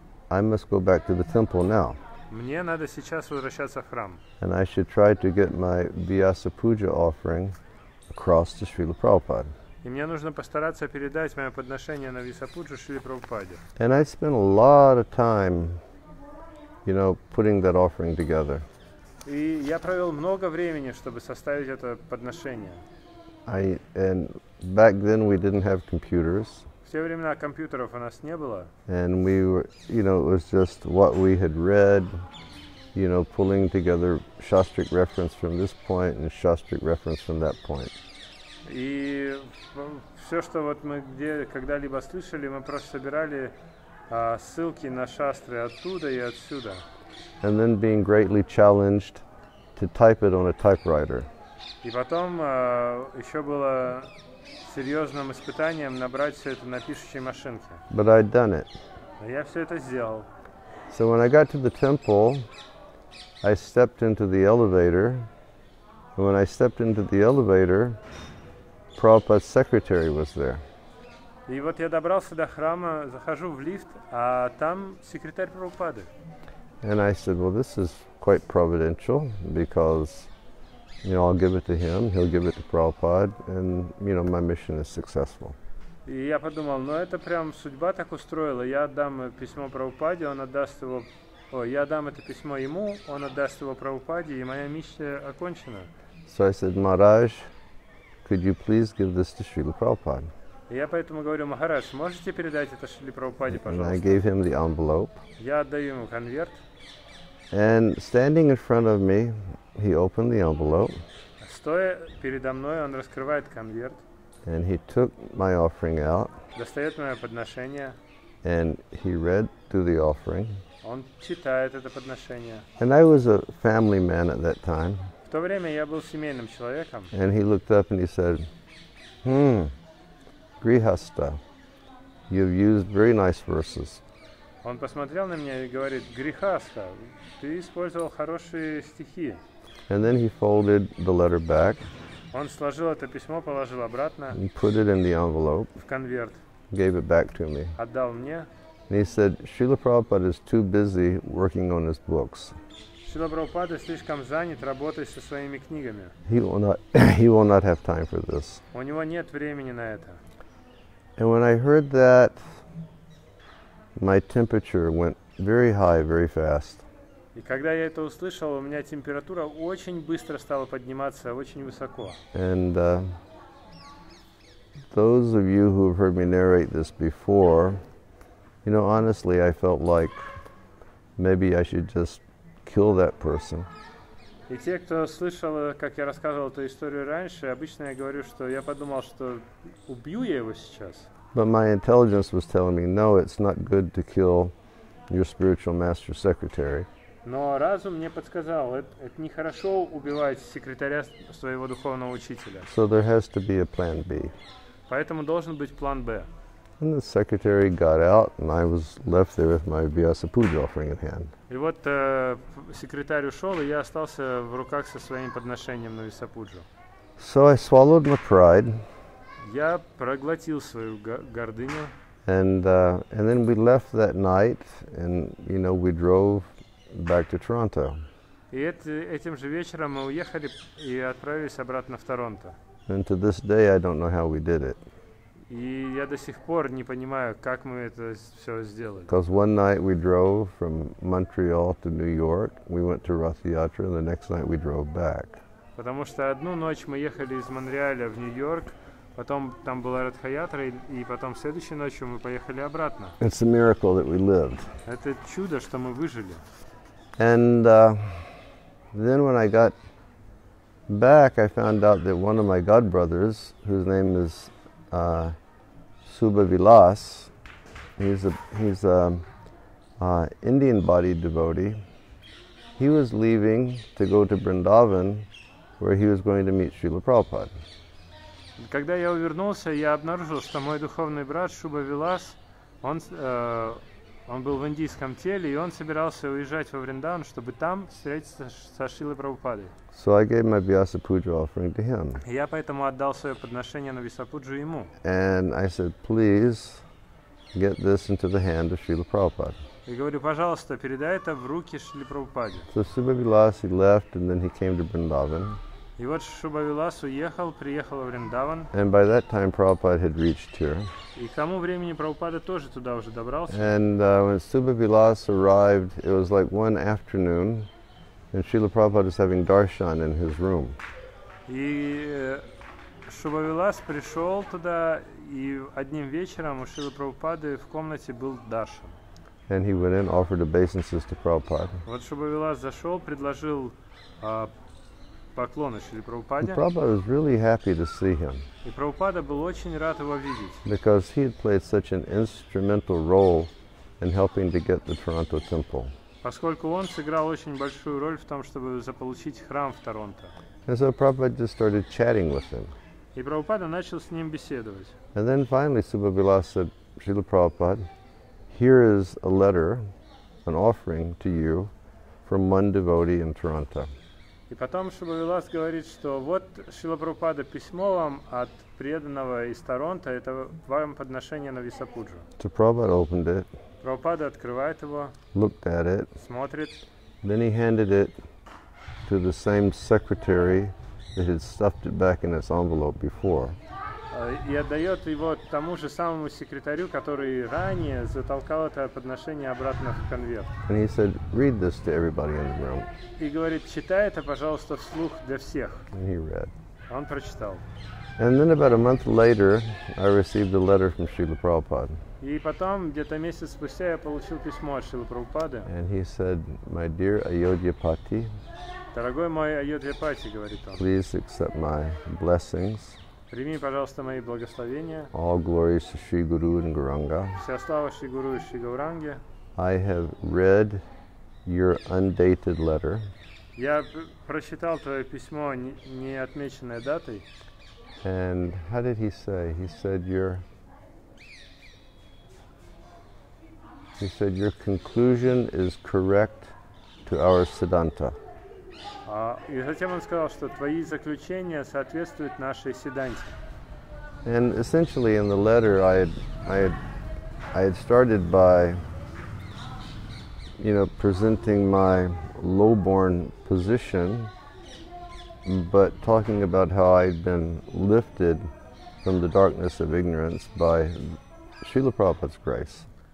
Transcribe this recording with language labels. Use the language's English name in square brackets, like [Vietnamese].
[English] I must go back to the temple now. [Russian] Мне надо сейчас возвращаться в храм. [English] And I should try to get my Vyasa Puja offering across to Srila Prabhupada. [Russian] И мне нужно постараться передать мое подношение на Вьясапуджу Шриле Прабхупаде. [English] And I spent a lot of time, you know, putting that offering together. [Russian] И я провел много времени, чтобы составить это подношение. [English] And back then we didn't have computers. [Russian] Все времена компьютеров у нас не было. [English] And we were, you know, it was just what we had read, you know, pulling together shastric reference from this point and shastric reference from that point. [Russian] И все, что вот мы где когда-либо слышали, мы просто собирали ссылки на шастры оттуда и отсюда. [English] And then being greatly challenged to type it on a typewriter. [Russian] И потом еще было серьезным испытанием набрать все это на пишущей машинке. [English] But I'd done it. [Russian] Но я все это сделал. [English] So when I got to the temple, I stepped into the elevator. And when I stepped into the elevator, Prabhupada's secretary was there. [Russian] И вот я добрался до храма, захожу в лифт, а там секретарь Прабхупады. [English] And I said, well, this is quite providential, because you know, I'll give it to him, he'll give it to Prabhupada, and, you know, my mission is successful. [Russian] И я подумал, ну это прям судьба так устроила, я отдам письмо Прабхупаде, он отдаст его, я отдам это письмо ему, он отдаст его Прабхупаде, и моя миссия окончена. [English] So I said, Maharaj, could you please give this to Srila Prabhupada? [Russian] И я поэтому говорю, Maharaj, можете передать это Шриле Прабхупаде, пожалуйста? [English] And I gave him the envelope. [Russian] Я отдаю ему конверт. [English] And standing in front of me, he opened the envelope. [Russian] Стоя передо мной, он раскрывает конверт. [English] And he took my offering out. [Russian] Достает мое подношение. [English] And he read through the offering. [Russian] Он читает это подношение. [English] And I was a family man at that time. [Russian] В то время я был семейным человеком. [English] And he looked up and he said, Grihastha, you've used very nice verses. [Russian] Он посмотрел на меня и говорит, Грихастха, ты использовал хорошие стихи. [English] And then he folded the letter back. [Russian] Он сложил это письмо, положил обратно. [English] And put it in the envelope. [Russian] В конверт. [English] Gave it back to me. [Russian] Отдал мне. [English] And he said, Srila Prabhupada is too busy working on his books. [Russian] Шрила Прабхупада слишком занят работой со своими книгами. [English] He will not have time for this. [Russian] У него нет времени на это. [English] And when I heard that, my temperature went very high, very fast. [Russian] И когда я это услышал, у меня температура очень быстро стала подниматься, очень высоко. [English] And those of you who have heard me narrate this before, you know, honestly, I felt like maybe I should just kill that person. [Russian] И те, кто слышал, как я рассказывал эту историю раньше, обычно я говорю, что я подумал, что убью я его сейчас. [English] But my intelligence was telling me, no, it's not good to kill your spiritual master secretary. [Russian] Но разум мне подсказал, это нехорошо убивать секретаря своего духовного учителя. [English] So there has to be a plan B. [Russian] Поэтому должен быть план Б. [English] And the secretary got out, and I was left there with my Vyasa Puja offering in hand. [Russian] И вот секретарь ушел, и я остался в руках со своим подношением на Vyasa Puja. [English] So I swallowed my pride. [Russian] Я проглотил свою гордыню. [English] And then we left that night, and you know we drove back to Toronto. [Russian] И этим же вечером мы уехали и отправились обратно в Торонто. [English] And to this day, I don't know how we did it. [Russian] И я до сих пор не понимаю, как мы это все сделали. [English] Because one night we drove from Montreal to New York, we went to Rathiatra, and the next night we drove back. [Russian] Потому что одну ночь мы ехали из Монреаля в Нью-Йорк, потом там была Ратхаятра, и потом следующей ночью мы поехали обратно. [English] It's a miracle that we lived. [Russian] Это чудо, что мы выжили. [English] And then when I got back, I found out that one of my god brothers, whose name is Subha Vilas, he's a Indian body devotee. He was leaving to go to Vrindavan, where he was going to meet Srila Prabhupada. [Russian] Когда я вернулся, я обнаружил, что мой духовный брат Шуба Вилас, он был в индийском теле, и он собирался уезжать во Вриндаван, чтобы там встретиться со Шрилой Прабхупадой. [English] So I gave my Vyasa Puja offering to him. [Russian] Я поэтому отдал свое подношение на Vyasa Puja ему. [English] And I said, please get this into the hand of Srila Prabhupada. [Russian] И говорю, пожалуйста, передай это в руки Шриле Прабхупаде. [English] So Subha Vilas, he left, and then he came to Vrindavan. [Russian] И вот Шуба Вилас уехал, приехал в Вриндаван. [English] And by that time, Prabhupada had reached here. [Russian] И к тому времени Прабхупада тоже туда уже добрался. [English] And when Subha Vilas arrived, it was like one afternoon, and Srila Prabhupada was having darshan in his room. [Russian] И Шуба Вилас пришел туда, и одним вечером у Шрилы Прабхупады в комнате был даршан. [English] And he went in, offered obeisances to Prabhupada. [Russian] Вот Шуба Вилас зашел, предложил поклоны Шриле Прабхупаде. [English] Prabhupada was really happy to see him. [Russian] И Прабхупада был очень рад его видеть. [English] Because he had played such an instrumental role in helping to get the Toronto temple. [Russian] Поскольку он сыграл очень большую роль в том, чтобы заполучить храм в Торонто. [English] And so Prabhupada just started chatting with him. [Russian] И Прабхупада начал с ним беседовать. [English] And then finally Subha Vilas said, Srila Prabhupada, here is a letter, an offering to you from one devotee in Toronto. [Russian] И потом Шуба Вилас говорит, что вот Шрила Прабхупада письмо вам от преданного из Торонто, это вам подношение на Vyasa Puja. [English] So Prabhupada opened it. [Russian] Прабхупада открывает его. [English] Looked at it. [Russian] Смотрит. [English] Then he handed it to the same secretary that had stuffed it back in its envelope before. [Russian] И отдает его тому же самому секретарю, который ранее затолкал это подношение обратно в конверт. [English] And he said, read this to everybody in the room. [Russian] И говорит, читай это, пожалуйста, вслух для всех. [English] And he read. [Russian] Он прочитал. [English] And then about a month later, I received a letter from Srila Prabhupada. [Russian] И потом, где-то месяц спустя, я получил письмо от Шрилы Прабхупады. [English] And he said, my dear Ayodhyapati, [Russian] дорогой мой Айодхьяпати, говорит он, [English] please accept my blessings. [Russian] Прими, пожалуйста, мои благословения. [English] All glories to Sri Guru and Gauranga. [Russian] Вся слава Шри Гуру и Шри Гауранге. [English] I have read your undated letter. [Russian] Я прочитал твое письмо не отмеченной датой. [English] And how did he say? He said your conclusion is correct to our Siddhanta. [Russian] И затем он сказал, что твои заключения соответствуют нашей седанте. [English] And essentially in the letter I had started by, you know, presenting my lowborn position, but talking about how I'd been lifted from the darkness of ignorance by Srila Prabhupada's grace.